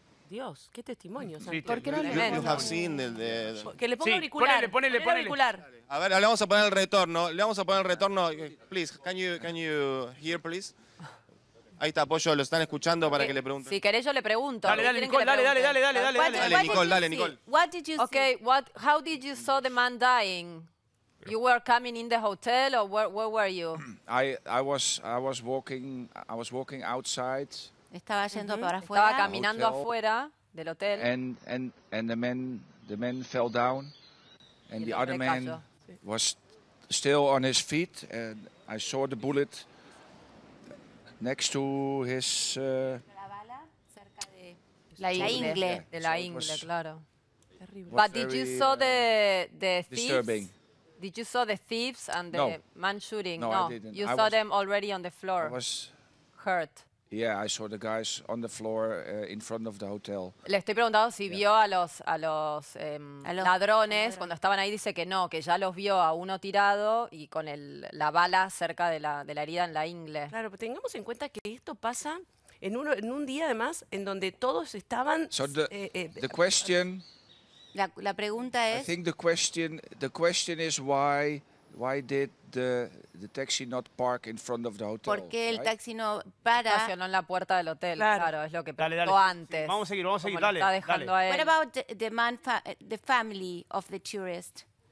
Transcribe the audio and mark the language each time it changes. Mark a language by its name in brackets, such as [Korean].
[Spanish] Dios, qué testimonio. Sí, ¿por qué no le ven? [English] You have seen the... [Spanish] Que le ponga sí, auricular. Ponele, ponele. Auricular. A ver, le vamos a poner el retorno. Le vamos a poner el retorno. [English] Please, can you hear, please? [Spanish] Ahí está, Pollo, lo están escuchando para que le pregunten. Si querés, yo le pregunto. Dale, Nicole. [English] What did you see? Okay, how did you saw the man dying? You were coming in the hotel, or where were you? I was walking outside. [Spanish] Estaba yendo para afuera. Estaba caminando afuera del hotel. [English] And the man fell down, and the other man was still on his feet, and I saw the bullet next to his. [Spanish] La bala cerca de la ingle. De la ingle, claro. Terrible. [English] But did you saw the thieves? Disturbing. Did you saw the thieves and the no. man shooting? No, I didn't. You I saw them already on the floor. I was hurt. Yeah, I saw the guys on the floor in front of the hotel. [Spanish] Le estoy preguntando si vio a los ladrones cuando estaban ahí. Dice que no, que ya los vio a uno tirado y con la bala cerca de la herida en la ingle. Claro, pero tengamos en cuenta que esto pasa en un día además en donde todos estaban. [English] So the question. [Spanish] La pregunta es. [English] I think the question is why did the taxi not park in front of the hotel? [Spanish] ¿Por qué el taxi no para? Estacionó en la puerta del hotel. Claro, claro, es lo que preguntó antes. Sí, vamos a seguir. Dale. Está dejando dale. A él. [English] What about the man, the family of the tourist?